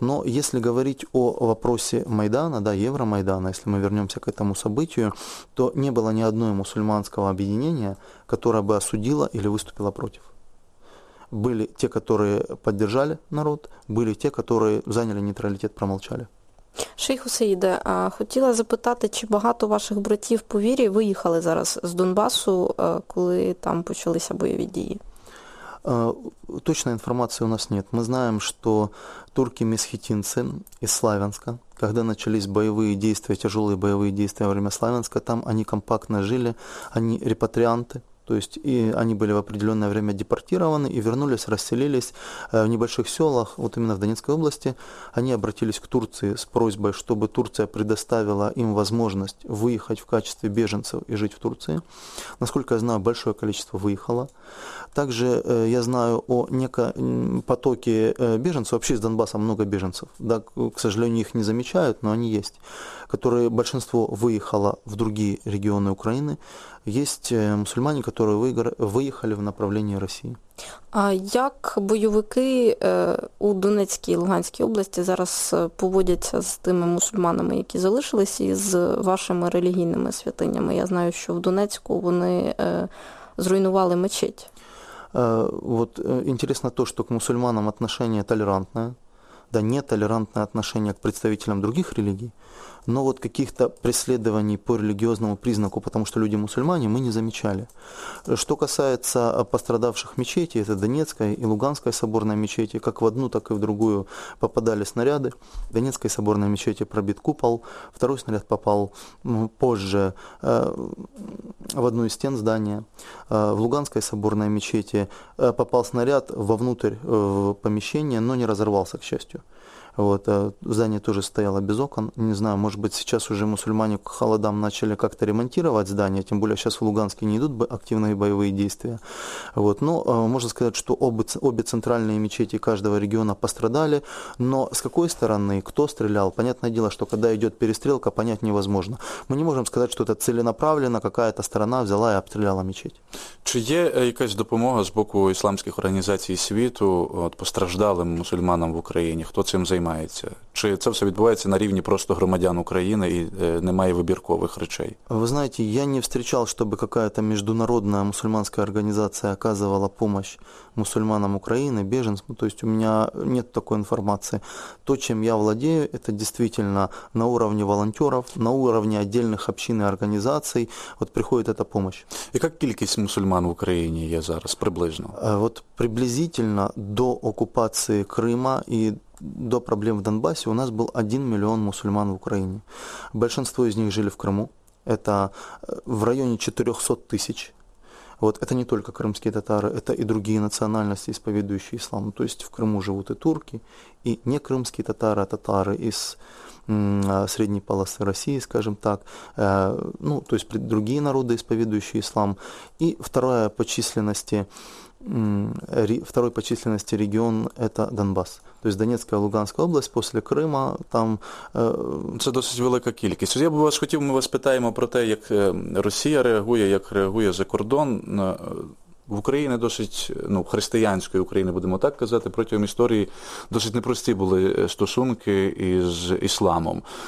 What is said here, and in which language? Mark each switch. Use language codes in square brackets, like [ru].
[ru] Но если говорить о вопросе Майдана, да, Евромайдана, если мы вернемся к этому событию, то не было ни одной мусульманского объединения, которое бы осудило или выступило против. Были те, которые поддержали народ, были те, которые заняли нейтралитет, промолчали. [uk] Шейх Усаїде, хотіла запитати, чи багато ваших братів по вірі виїхали зараз з Донбасу, коли там почалися бойові дії? [ru] Точной информации у нас нет. Мы знаем, что турки-месхетинцы из Славянска, когда начались боевые действия, тяжелые боевые действия во время Славянска, там они компактно жили, они репатрианты, то есть и они были в определенное время депортированы и вернулись, расселились в небольших селах, вот именно в Донецкой области. Они обратились к Турции с просьбой, чтобы Турция предоставила им возможность выехать в качестве беженцев и жить в Турции. Насколько я знаю, большое количество выехало. Также я знаю о неком потоке беженцев, вообще из Донбасса много беженцев, да, к сожалению, их не замечают, но они есть, которые большинство выехало в другие регионы Украины. Есть мусульмане, которые выехали в направлении России. [uk] А як бойовики у Донецькій і Луганській області зараз поводяться з тими мусульманами, які залишилися, і з вашими релігійними святинями? Я знаю, що в Донецьку вони зруйнували мечеть. [ru] Вот интересно то, что к мусульманам отношение толерантное, да, нетолерантное отношение к представителям других религий, но вот каких-то преследований по религиозному признаку, потому что люди мусульмане, мы не замечали. Что касается пострадавших мечетей, это Донецкая и Луганская соборная мечети, как в одну, так и в другую попадали снаряды. В Донецкой соборной мечети пробит купол, второй снаряд попал позже в одну из стен здания. В Луганской соборной мечети попал снаряд вовнутрь в помещение, но не разорвался, к счастью. Вот, здание тоже стояло без окон. Не знаю, может быть, сейчас уже мусульмане к холодам начали как-то ремонтировать здание, тем более сейчас в Луганске не идут активные боевые действия. Вот, но можно сказать, что обе центральные мечети каждого региона пострадали. Но с какой стороны, кто стрелял? Понятное дело, что когда идет перестрелка, понять невозможно. Мы не можем сказать, что это целенаправленно, какая-то сторона взяла и обстреляла мечеть. [uk] Чи є якась допомога з боку ісламських організацій світу от, постраждалим мусульманам в Україні? Хто цим займається? Чи це все відбувається на рівні просто громадян України і немає вибіркових речей? Ви знаєте, я не зустрічав, щоб якась міжнародна мусульманська організація оказувала допомогу мусульманам України, біженцям. Тобто у мене немає такої інформації. То, чим я владею, це дійсно на рівні волонтерів, на рівні окремих общин і організацій от приходить ця допомога. І як кількість мусульман в Україні є зараз приблизно? [ru] От приблизительно [uk] до окупації Криму і до проблем [ru] в Донбассе у нас был 1 миллион мусульман в Украине. Большинство из них жили в Крыму. Это в районе 400 тысяч. Вот, это не только крымские татары, это и другие национальности, исповедующие ислам. То есть в Крыму живут и турки, и не крымские татары, а татары из средней полосы России, скажем так, ну, то есть другие народы, исповедующие ислам, и второй по численности регион – это Донбасс. То есть Донецкая, Луганская область, после Крыма там… [uk] Це досить велика кількість. Я б вас хотів, ми вас питаємо про те, як Росія реагує, як реагує за кордон. В Україні досить, ну, християнської України, будемо так казати, протягом історії досить непрості були стосунки із ісламом.